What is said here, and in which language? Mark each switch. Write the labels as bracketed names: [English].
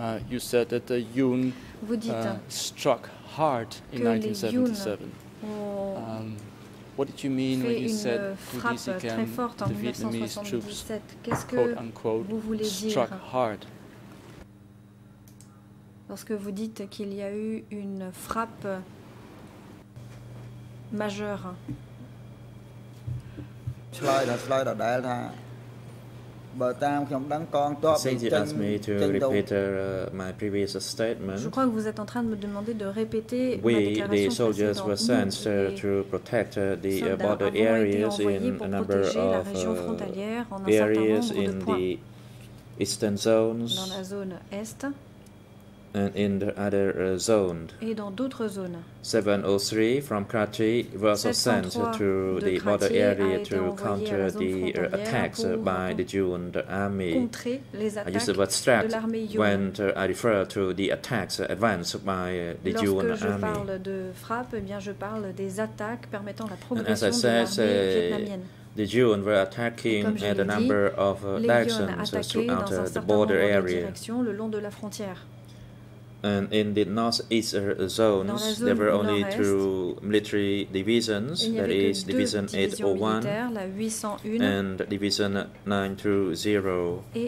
[English] You said that the Yun struck hard in 1977. What did you mean when you said to DCCAM the Vietnamese troops, quote-unquote, struck hard? [French] Lorsque vous dites qu'il y a eu une frappe majeure. [English] Since you asked me to repeat my previous statement, [French] je crois que vous êtes en train de me demander de répéter oui, [English] the soldiers were sent to protect the border areas in a number of areas in the eastern zones [French] dans la zone est, [English] and in the other zones. [French] Et dans d'autres zones. [English] 703 from Krathi was sent to the border area to counter the attacks by the Jun army. I used the word struck when I refer to the attacks advanced by the Jun army. [French] Lorsque je parle de frappe, eh bien je parle des attaques permettant la progression de l'armée vietnamienne. [English] The Jun were attacking at a number of directions throughout the border area. [French] Le long de la frontière. [English] And in the northeast zones, [French] zone [English] there were only two military divisions, that is, Division 801 and Division 920.